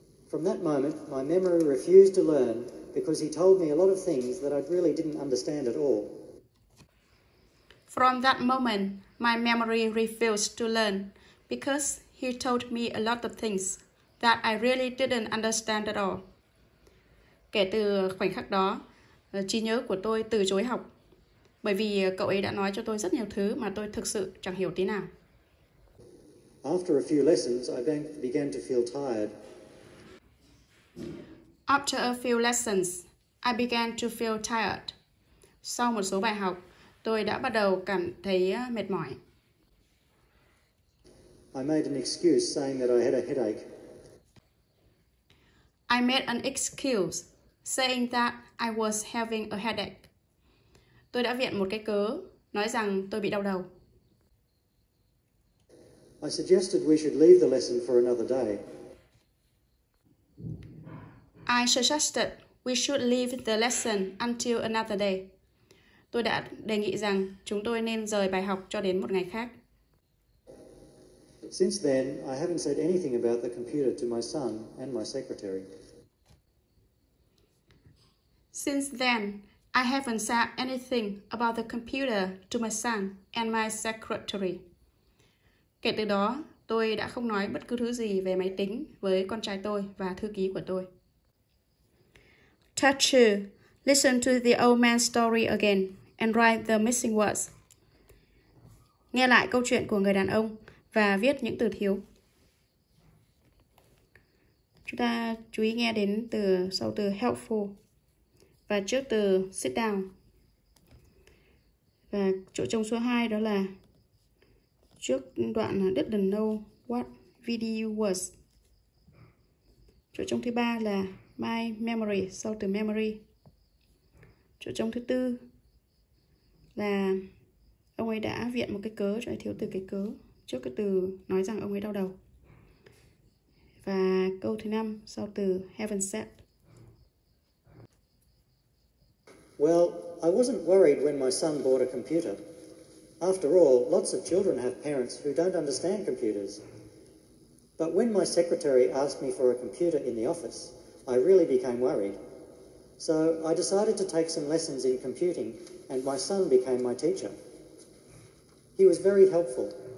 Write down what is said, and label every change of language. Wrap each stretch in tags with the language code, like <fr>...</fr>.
<en>From that moment, my memory refused to learn because he told me a lot of things that I really didn't understand at all. From that moment, my memory refused to learn because he told me a lot of things that I really didn't understand at all.</en> <vi>Kể từ khoảnh khắc đó, trí nhớ của tôi từ chối học bởi vì cậu ấy đã nói cho tôi rất nhiều thứ mà tôi thực sự chẳng hiểu tí nào.</vi> <en>After a few lessons, I began to feel tired. After a few lessons, I began to feel tired.</en> <vi>Sau một số bài học, tôi đã bắt đầu cảm thấy mệt mỏi.</vi> <en>I made an excuse saying that I had a headache. I made an excuse saying that I was having a headache.</en> <vi>Tôi đã viện một cái cớ, nói rằng tôi bị đau đầu.</vi> <en>I suggested we should leave the lesson for another day. I suggested we should leave the lesson until another day.</en> <vi>Tôi đã đề nghị rằng chúng tôi nên rời bài học cho đến một ngày khác.</vi> <en>Since then, I haven't said anything about the computer to my son and my secretary. Since then, I haven't said anything about the computer to my son and my secretary.</en> <vi>Kể từ đó, tôi đã không nói bất cứ thứ gì về máy tính với con trai tôi và thư ký của tôi.</vi> <en>Teacher, listen to the old man's story again and write the missing words.</en> <vi>Nghe lại câu chuyện của người đàn ông và viết những từ thiếu. Chúng ta chú ý nghe đến từ sau từ helpful và trước từ sit down. Và chỗ trống số 2 đó là trước đoạn</vi> <en>didn't know what video was.</en> <vi>Chỗ trống thứ 3 là my memory, sau từ memory. Chỗ trống thứ 4 là ông ấy đã viện một cái cớ cho thiếu từ cái cớ trước cái từ nói rằng ông ấy đau đầu. Và câu thứ 5 sau từ haven't said.</vi> <en>Well, I wasn't worried when my son bought a computer. After all, lots of children have parents who don't understand computers. But when my secretary asked me for a computer in the office, I really became worried. So I decided to take some lessons in computing, and my son became my teacher. He was very helpful.</en>